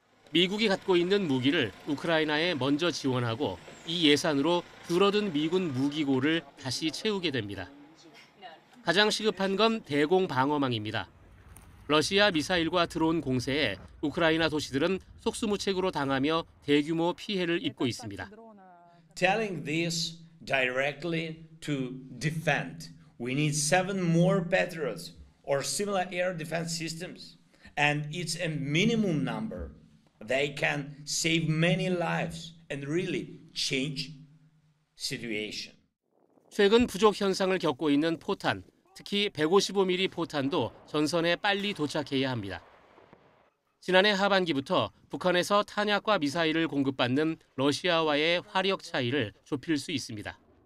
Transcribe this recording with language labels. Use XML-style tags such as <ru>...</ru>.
<ko>미국이 갖고 있는 무기를 우크라이나에 먼저 지원하고 이 예산으로 줄어든 미군 무기고를 다시 채우게 됩니다. 가장 시급한 건 대공 방어망입니다. 러시아 미사일과 드론 공세에 우크라이나 도시들은 속수무책으로 당하며 대규모 피해를 입고 있습니다.</ko> <en>Telling this directly to defend. We need 7 more Patriots or similar air defense systems and it's a minimum number. They can save many lives and really change situation.</en> <ko>최근 부족 현상을 겪고 있는 포탄, 특히 155mm 포탄도 전선에 빨리 도착해야 합니다. 지난해 하반기부터 북한에서 탄약과 미사일을 공급받는 러시아와의 화력 차이를 좁힐 수 있습니다.</ko>